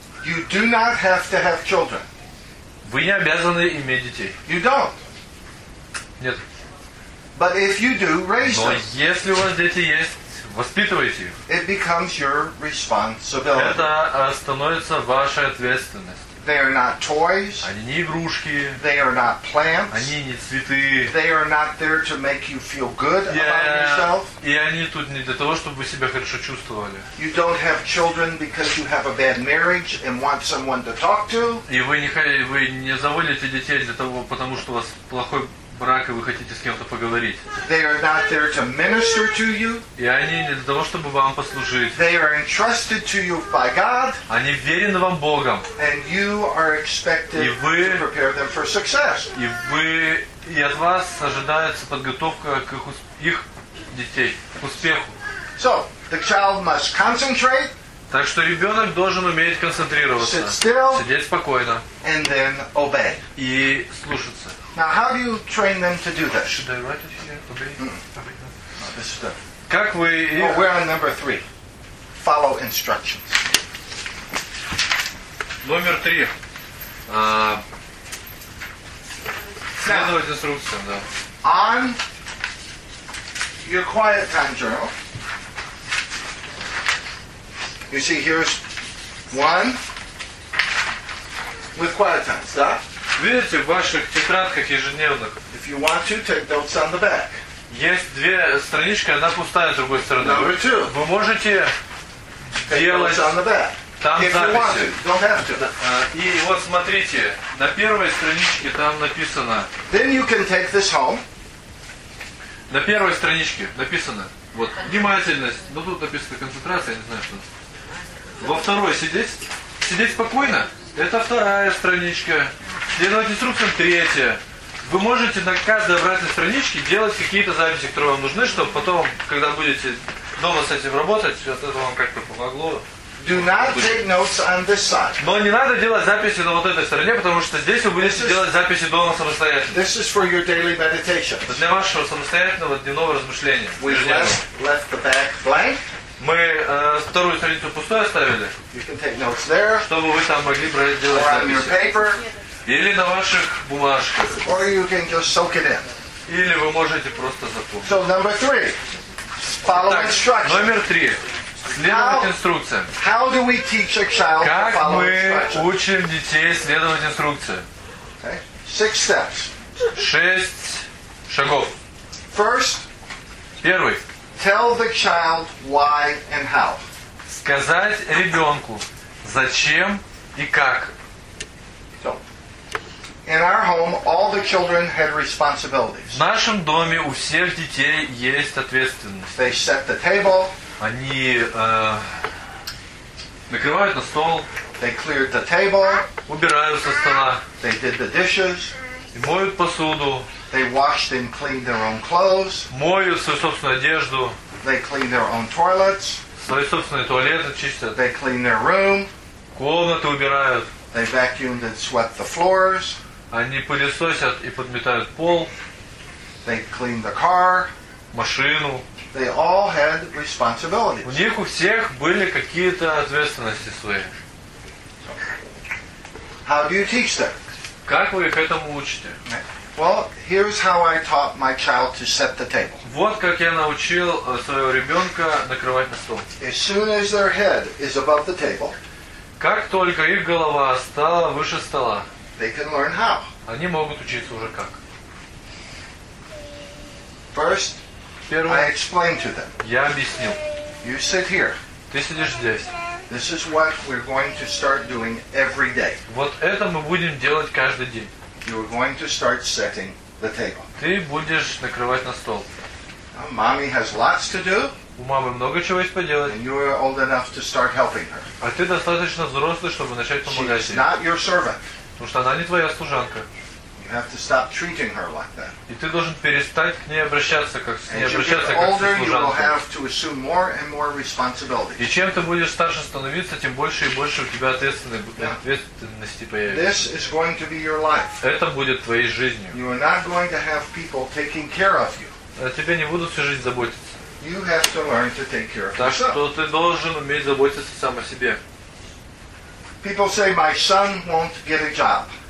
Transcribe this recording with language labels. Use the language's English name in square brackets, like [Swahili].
[English] You do not have to have children. [Russian] Вы не обязаны иметь детей. [English] You don't. [Russian] Нет. [English] But if you do, raise them. [Russian] Но если у вас дети есть, воспитывайте их. [English] It becomes your responsibility. [Russian] Это становится вашей ответственностью. [English] They are not toys. [Russian] Они не игрушки. [English] They are not plants. [Russian] Они не цветы. [English] They are not there to make you feel good about yourself. [Russian] И они тут не для того, чтобы вы себя хорошо чувствовали. [English] You don't have children because you have a bad marriage and want someone to talk to. [Russian] И вы не заводите детей для того, потому что у вас плохой брак и вы хотите с кем-то поговорить. [English] They are not there to minister to you. [Russian] И они не для того, чтобы вам послужить. [English] They are entrusted to you by God. [Russian] Они вверены вам Богом. [English] And you are expected to prepare them for success. [Russian] И от вас ожидается подготовка к их детей к успеху. [English] So the child must concentrate. [Russian] Так что ребенок должен уметь концентрироваться. [English] Sit still, [Russian] сидеть спокойно. [English] And then obey. [Russian] И слушаться. [English] Now, how do you train them to do this? Should I write it here? Obey. No, this is the. [Russian] Как вы? [English] Oh, we're on number 3. follow instructions. [Russian] Номер три. Следовать инструкциям, да. [English] On your quiet time journal, you see here's one with quiet time, stop. [Russian] Видите, в ваших тетрадках ежедневных. [English] If you want to, take notes on the back. [Russian] Есть две странички, одна пустая с другой стороны. [English] Number two. [Russian] Вы можете делать [English] on the back. [Russian] Там [English] if [Russian] записи. [English] You want to, don't have to. [Russian] И вот смотрите, на первой страничке там написано. [English] Then you can take this home. [Russian] На первой страничке написано. Вот. Внимательность. Ну тут написано концентрация, я не знаю что. Во второй сидеть. Сидеть спокойно. Это вторая страничка. Следовать инструкциям третья. Вы можете на каждой обратной страничке делать какие-то записи, которые вам нужны, чтобы потом, когда будете дома с этим работать, от этого вам как-то помогло. [English] Do not take notes on this side. [Russian] Но не надо делать записи на вот этой стороне, потому что здесь вы будете делать записи дома самостоятельно. [English] This is for your daily meditation. [Russian] Для вашего самостоятельного дневного размышления. [English] Left the back blank. [Russian] Мы вторую страницу пустой оставили, [English] you can take notes there, [Russian] чтобы вы там могли делать записи. [English] On your paper. [Russian] Или на ваших бумажках. [English] Or you can just soak it in. [Russian] Или вы можете просто запомнить. [English] So, number three. Follow instructions. [Russian] Номер три. Следовать инструкциям. [English] How do we teach a child [Russian] как [English] to follow [Russian] мы учим детей следовать инструкциям? [English] Okay. Six steps. [Russian] Шесть шагов. [English] First. [Russian] Первый. [English] Tell the child why and how. [Russian] Сказать ребенку зачем и как. [English] In our home, all the children had responsibilities. [Russian] В нашем доме у всех детей есть ответственность. [English] They set the table. [Russian] Они накрывают на стол. [English] They cleared the table. [Russian] Убирают со стола. [English] They did the dishes. [Russian] И моют посуду. [English] They washed and cleaned their own clothes. [Russian] Моют свою собственную одежду. [English] They clean their own toilets. [Russian] Свои собственные туалеты чистят. [English] They clean their room. [Russian] Комнаты убирают. [English] They vacuumed and swept the floors. [Russian] Они пылесосят и подметают пол. [English] They cleaned the car. [Russian] Машину. [English] They all had responsibilities. [Russian] У них у всех были какие-то ответственности свои. [English] How do you teach them? [Russian] Как вы их этому учите? [English] Well, here's how I taught my child to set the table. [Russian] Вот как я научил своего ребенка накрывать на стол. [English] As soon as their head is above the table. [Russian] Как только их голова стала выше стола, [English] they can learn how. [Russian] Они могут учиться уже как. [English] First, [Russian] первое, [English] I explain to them. [Russian] Я объяснил. [English] You sit here. [Russian] Ты сидишь здесь. [English] This is what we're going to start doing every day. [Russian] Вот это мы будем делать каждый день. [English] You're going to start setting the table. [Russian] Ты будешь накрывать на стол. [English] Now, mommy has lots to do. [Russian] У мамы много чего есть поделать. [English] And you are old enough to start helping her. [Russian] А ты достаточно взрослый, чтобы начать помогать ей. [English] Not your servant. [Russian] Потому что она не твоя служанка. [English] You have to stop treating her like that. [Russian] И ты должен перестать к ней обращаться как с ней обращаться [English] older, [Russian] как со служанкой. [English] You will have to assume more and more responsibility. [Russian] И чем ты будешь старше становиться, тем больше и больше у тебя ответственности появится. [English] This is going to be your life. [Russian] Это будет твоей жизнью. [English] You are not going to have people taking care of you. [Russian] О тебе не будут всю жизнь заботиться. [English] You have to learn to take care of yourself. [Russian] Так что ты должен уметь заботиться сам о себе. [English] People say my son won't get a job.